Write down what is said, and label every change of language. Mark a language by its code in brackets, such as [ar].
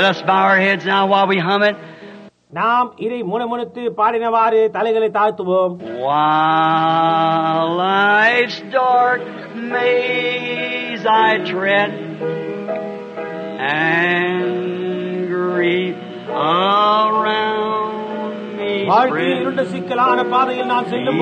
[en] bow our heads now while we hum it. [ta] நாம் இதை முணுமுணுத்து பாடினவாறு தலைகளை தாழ்த்துவோம். [en] While life's dark maze I tread, and grief around me spread, [ta] சிக்கலான பாதையில் நான் செல்லும்